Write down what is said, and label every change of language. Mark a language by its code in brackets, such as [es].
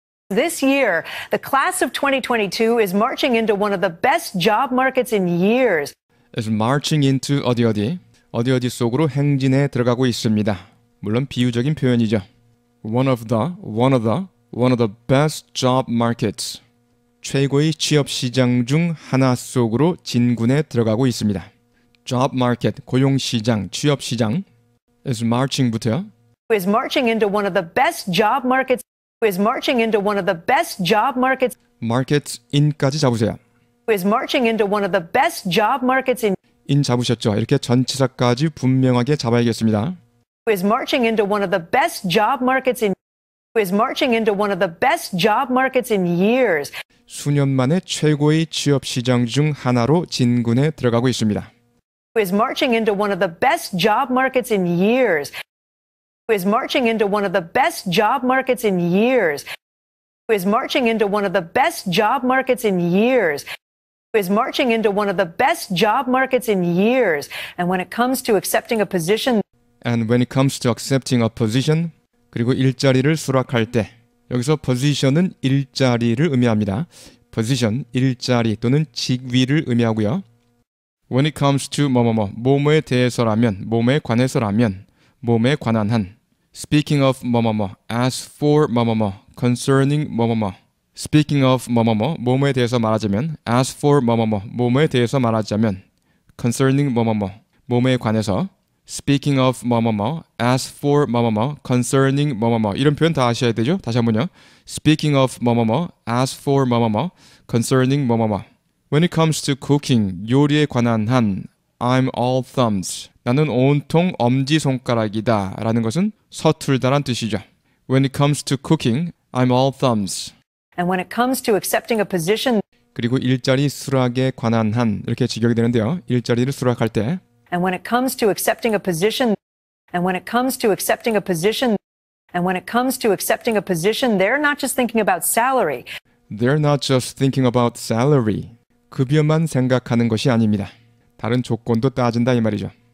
[en] This year, the class of 2022 is marching into one of the best job markets in years. Is marching into [ko] 어디 어디? 어디 어디 속으로 행진해 들어가고 있습니다. 물론 비유적인 표현이죠. [en] One of the best job markets. [ko] 최고의 취업 시장 중 하나 속으로 진군해 들어가고 있습니다. Job market, 고용 시장, 취업 시장. Is marching부터요. [en] Is marching into one of the best job markets. Is marching into one of the best job markets. [ko] Markets in까지 잡으세요. [en] Is marching into one of the best job markets in. [ko] In 잡으셨죠? 이렇게 전치사까지 분명하게 잡아야겠습니다. [en] Is marching into one of the best job markets in. Is marching into one of the best job markets in years. [ko] 수년 만에 최고의 취업 시장 중 하나로 진군에 들어가고 있습니다. [en] Is marching into one of the best job markets in years. Is marching into one of the best job markets in years. Is marching into one of the best job markets in years. Is marching into one of the best job markets in years. And when it comes to accepting a position. And when it comes to accepting a position. [ko] 그리고 일자리를 수락할 때. 여기서 position은 일자리를 의미합니다. Position, 일자리 또는 직위를 의미하고요. [en] When it comes to [ko] 뭐뭐뭐, 뭐뭐에 대해서라면, 뭐뭐에 관해서라면, 뭐뭐에 관한 한. [en] Speaking of [ko] 뭐뭐뭐, [en] as for [ko] 뭐뭐뭐, [en] concerning [ko] 뭐뭐뭐, [en] Speaking of [ko] 뭐뭐뭐, 뭐뭐에 대해서 말하자면, [en] as for [ko] 뭐뭐뭐, 뭐뭐에 대해서 말하자면, [en] concerning [ko] 뭐뭐뭐, 뭐뭐에 관해서, speaking of 뭐뭐뭐, as for 뭐뭐뭐, concerning 뭐뭐뭐, 이런 표현 다 아셔야 되죠? 다시 한 번요. [en] Speaking of 뭐뭐뭐, as for 뭐뭐뭐, concerning 뭐뭐뭐. When it comes to cooking, [ko] 요리에 관한 한, [en] I'm all thumbs. [ko] 나는 온통 엄지손가락이다 라는 것은 서툴다란 뜻이죠. [en] When it comes to cooking, I'm all thumbs. And when it comes to accepting a position, [ko] 그리고 일자리 수락에 관한 한, 이렇게 직역이 되는데요. 일자리를 수락할 때, [en] And when it comes to accepting a position, and when it comes to accepting a position, and when it comes to accepting a position, they're not just thinking about salary. They're not just thinking about salary. [ko] 급여만 생각하는 것이 아닙니다. 다른 조건도 따진다 이 말이죠.